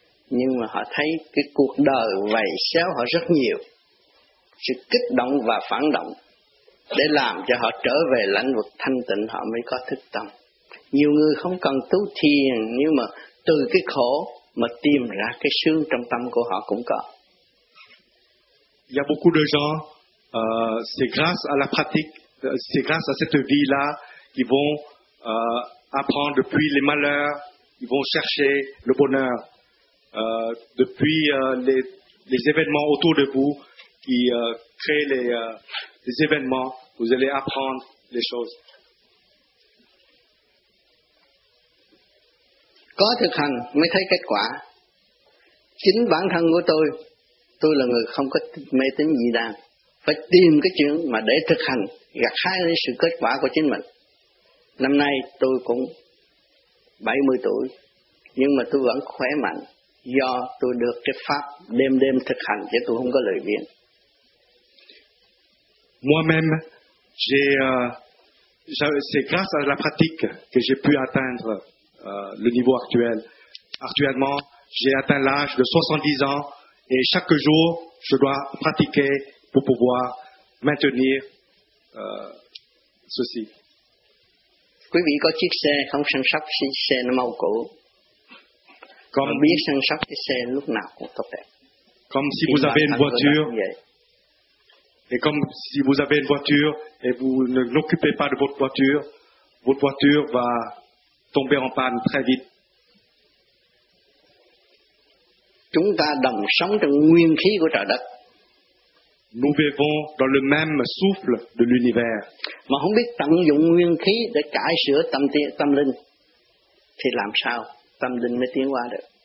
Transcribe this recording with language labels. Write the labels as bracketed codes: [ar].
[vi] Nhưng mà họ thấy cái cuộc đời vầy xéo họ rất nhiều, sự kích động và phản động để làm cho họ trở về lãnh vực thanh tịnh, họ mới có thức tâm. Nhiều người không cần tu thiền, nhưng mà từ cái khổ mà tìm ra cái sướng trong tâm của họ cũng có. [fr] Il y a beaucoup de gens, c'est grâce à la pratique. C'est grâce à cette vie-là qu'ils vont apprendre depuis les malheurs ils vont chercher le bonheur. Depuis les événements autour de vous qui créent les événements, vous allez apprendre les choses. [vi] Có thực hành mới thấy kết quả. Chính bản thân của tôi là người không có mê tín dị đoan. Phải tìm cái chuyện mà để thực hành, gặt hái lấy sự kết quả của chính mình. Năm nay tôi cũng 70 tuổi, nhưng mà tôi vẫn khỏe mạnh do tôi được cái pháp đêm đêm thực hành, chứ tôi không có lời biếng. [fr] Moi-même, c'est grâce à la pratique que j'ai pu atteindre le niveau actuel. Actuellement, j'ai atteint l'âge de 70 ans et chaque jour, je dois pratiquer pour pouvoir maintenir ceci. [vi] Quý vị có chiếc xe không săn sóc, xe nó mau cũ. [fr] Comme vous [vi] biết săn sóc cái xe lúc nào cũng tốt đẹp. [fr] Comme si vous avez une voiture. Et comme si vous avez une voiture et vous ne l'occupez pas de votre voiture va tomber en panne très vite. [vi] Chúng ta đồng sống trong nguyên khí của trời đất. [fr] Nous vivons dans le même souffle de l'univers. [vi] Mà không biết tận dụng nguyên khí để cải sửa tâm linh thì làm sao tâm linh mới tiến qua được?